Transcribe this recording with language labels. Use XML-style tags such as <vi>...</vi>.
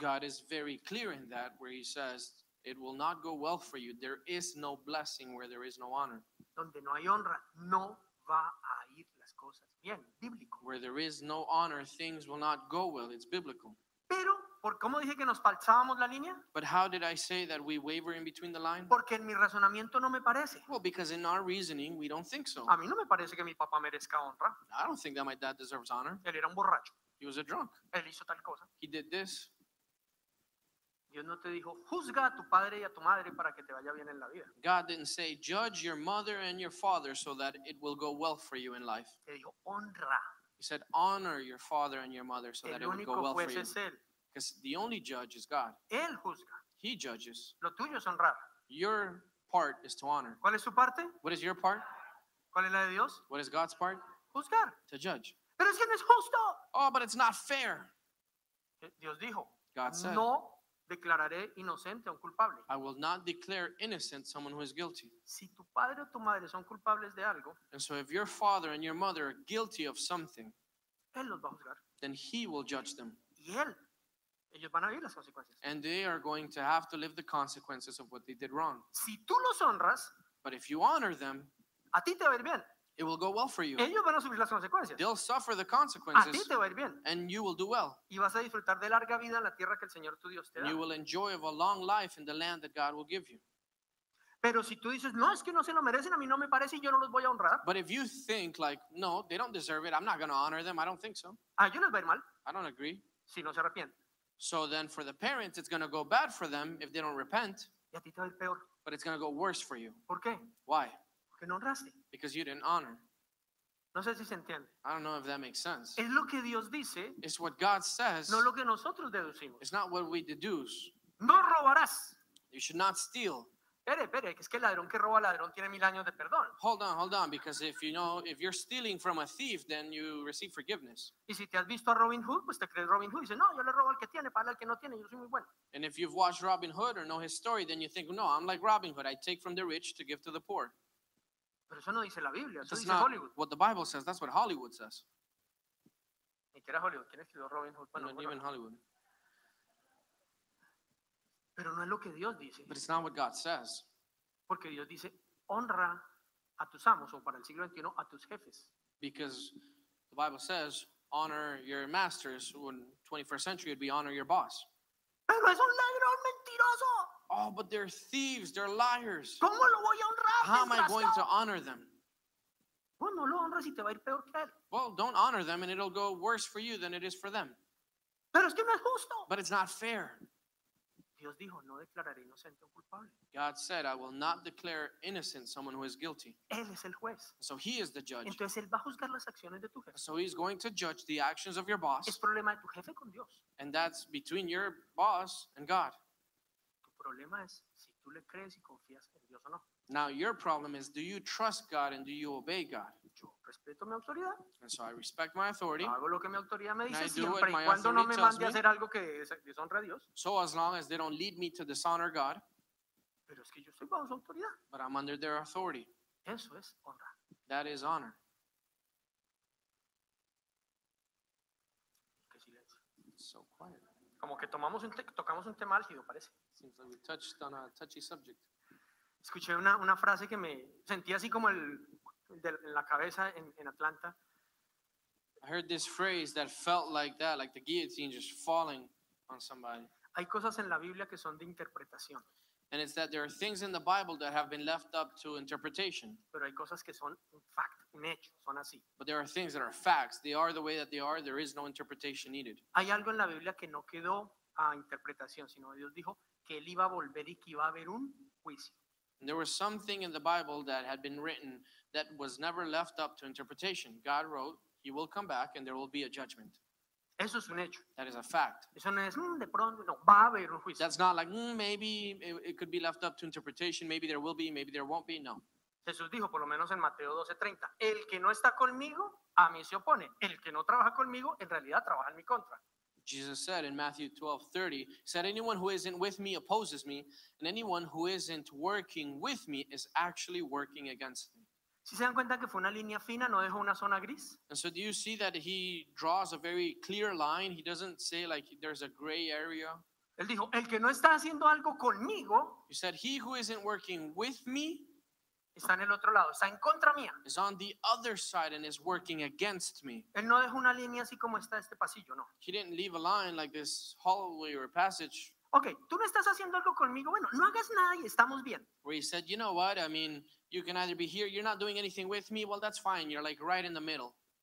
<en>God is very clear in that where he says, it will not go well for you. There is no blessing where there is no honor.</en> <es>Donde no hay honra, no va a ir las cosas bien. Bíblico.</es> <en>Where there is no honor, things will not go well. It's biblical.</en> <es>Pero ¿Por cómo dije que nos pasábamos la línea?</es> <en>But how did I say that we waver in between the line?</en> <es>Porque en mi razonamiento no me parece.</es> <en>Well, because in our reasoning, we don't think so.</en> <es>A mí no me parece que mi papá merezca honra.</es> <en>I don't think that my dad deserves honor.</en> <es>Él era un borracho.</es> <en>He was a drunk.</en> <es>Él hizo tal cosa.</es> <en>He did this.</en> <es>Dios no te dijo, juzga a tu padre y a tu madre para que te vaya bien en la vida.</es> <en>God didn't say, judge your mother and your father so that it will go well for you in life.</en> <es>Te dijo, honra.</es> <en>He said, honor your father and your mother so</en> <es>el</es> <en>that it will go well for you. Because the only judge is God.</en> <es>Él juzga.</es> <en>He judges.</en> <es>Lo tuyo es honrar.</es> <en>Your part is to honor.</en> <es>¿Cuál es su parte?</es> <en>What is your part?</en> <es>¿Cuál es la de Dios?</es> <en>What is God's part?</en> <es>Juzgar.</es> <en>To judge.</en> <es>Pero es que no es justo.</es> <en>Oh, but it's not fair.</en> <es>Dios dijo,</es> <en>God said,</en> <es>no declararé inocente a un culpable.</es> <en>I will not declare innocent someone who is guilty.</en> <es>Si tu padre o tu madre son culpables de algo,</es> <en>and so if your father and your mother are guilty of something,</en> <es>él los va a juzgar.</es> <en>Then he will judge them.</en> <es>Y él. Ellos van a vivir las consecuencias.</es> <en>And they are going to have to live the consequences of what they did wrong.</en> <es>Si tú los honras,</es> <en>but if you honor them,</en> <es>a ti te va a ir bien.</es> <en>It will go well for you.</en> <es>Ellos van a sufrir las consecuencias.</es> <en>They'll suffer the consequences.</en> <es>A ti te va a ir bien.</es> <en>And you will do well.</en> <es>Y vas a disfrutar de larga vida en la tierra que el Señor tu Dios te da.</es> <en>And you will enjoy of a long life in the land that God will give you.</en> <es>Pero si tú dices, no, es que no se lo merecen, a mí no me parece y yo no los voy a honrar.</es> <en>But if you think like, no, they don't deserve it, I'm not going to honor them, I don't think so.</en> <es>A ellos les va a ir mal.</es> <en>I don't agree.</en> <es>Si no se arrepienten.</es> <en>So then for the parents, it's going to go bad for them if they don't repent.</en> <es>Y a ti te va a ir peor.</es> <en>But it's going to go worse for you.</en> <es>¿Por qué?</es> <en>Why?</en> <es>Porque no honraste.</es> <en>Because you didn't honor.</en> <es>No sé si se entiende.</es> <en>I don't know if that makes sense.</en> <es>Es lo que Dios dice.</es> <en>It's what God says.</en> <es>No lo que nosotros deducimos.</es> <en>It's not what we deduce.</en> <es>No robarás.</es> <en>You should not steal.</en> <es>Espere, que es que el ladrón que roba ladrón tiene mil años de perdón.</es> <en>Hold on, because if you know, if you're stealing from a thief, then you receive forgiveness.</en> <es>Y si te has visto a Robin Hood, pues te crees Robin Hood. Y dice, no, yo le robo al que tiene, para el que no tiene, yo soy muy bueno.</es> <en>And if you've watched Robin Hood or know his story, then you think, no, I'm like Robin Hood. I take from the rich to give to the poor.</en> <es>Pero eso no dice la Biblia, eso</es> <en>that's</en> <es>dice Hollywood.</es> <en>What the Bible says, that's what Hollywood says.</en> <es>Ni que era Hollywood, ¿quién escribió Robin Hood? Bueno, no,</es> <en>even Hollywood.</en> <es>Pero no es lo que Dios dice.</es> <en>But it's not what God says.</en> <es>Porque Dios dice, honra a tus amos, o para el siglo XXI, a tus jefes.</es> <en>Because the Bible says, honor your masters, when 21st century would be honor your boss.</en> <es>Pero es un ladrón mentiroso.</es> <en>Oh, but they're thieves, they're liars.</en> <es>¿Cómo lo voy a honrar?</es> <en>How am I going to honor them?</en> <es>Bueno, no lo honras y te va a ir peor que él.</es> <en>Well, don't honor them and it'll go worse for you than it is for them.</en> <es>Pero es que no es justo.</es> <en>But it's not fair.</en> <es>Dios dijo, no declararé inocente o culpable.</es> <en>God said, I will not declare innocent someone who is guilty.</en> <es>Él es el juez.</es> <en>So he is the judge.</en> <es>Entonces él va a juzgar las acciones de tu jefe.</es> <en>So he's going to judge the actions of your boss.</en> <es>Es problema de tu jefe con Dios.</es> <en>And that's between your boss and God.</en> <es>El problema es si tú le crees y confías en Dios o no.</es> <en>Now your problem is, do you trust God and do you obey God?</en> <es>Yo respeto mi autoridad.</es> <en>And so I respect my authority.</en> <es>Hago lo que mi autoridad me dice siempre y cuando no me mande a hacer algo que deshonre a Dios.</es> <en>So as long as they don't lead me to dishonor God.</en> <es>Pero es que yo estoy bajo su autoridad.</es> <en>But I'm under their authority.</en> <es>Eso es honra.</es> <en>That is honor.</en> <es>Qué silencio.</es> <en>So quiet.</en> <es>Como que tocamos un tema álgido, parece.</es> <en>Seems like we touched on a touchy subject.</en> <es>Escuché una frase que me sentí así como en la cabeza en Atlanta.</es> <en>I heard this phrase that felt like that, like the guillotine just falling on somebody.</en> <es>Hay cosas en la Biblia que son de interpretación.</es> <en>And it's that there are things in the Bible that have been left up to interpretation.</en> <es>Pero hay cosas que son un fact, un hecho, son así.</es> <en>But there are things that are facts. They are the way that they are. There is no interpretation needed.</en> <es>Hay algo en la Biblia que no quedó a interpretación, sino Dios dijo que él iba a volver y que iba a haber un juicio.</es> <en>And there was something in the Bible that had been written that was never left up to interpretation. God wrote, he will come back and there will be a judgment.</en> <es>Eso es un hecho.</es> <en>That is a fact.</en> <es>Eso no es, de pronto, no, va a haber un juicio.</es> <en>That's not like, maybe it could be left up to interpretation. Maybe there will be, maybe there won't be, no.</en> <es>Jesús dijo, por lo menos en Mateo 12:30, el que no está conmigo, a mí se opone. El que no trabaja conmigo, en realidad trabaja en mi contra.</es> <en>Jesus said in Matthew 12:30, said, anyone who isn't with me opposes me, and anyone who isn't working with me is actually working against me.</en> <es>Si se dan cuenta que fue una línea fina, no dejó una zona gris.</es> <en>And so do you see that he draws a very clear line? He doesn't say like there's a gray area.</en> <es>Él dijo, el que no está haciendo algo conmigo.</es> <en>He said, he who isn't working with me</en> <es>Está en el otro lado, está en contra mía.</es> <en>Is on the other side and is working against me.</en> <es>Él no dejó una línea así como está este pasillo, no.</es> <en>He didn't leave a line like this hallway or passage.</en> <es>Okay, tú no estás haciendo algo conmigo. Bueno, no hagas nada y estamos bien.</es> <en>Where he said, you know what? I mean, you can either be here. You're not doing anything with me. Well, that's fine. You're like right in the middle.</en>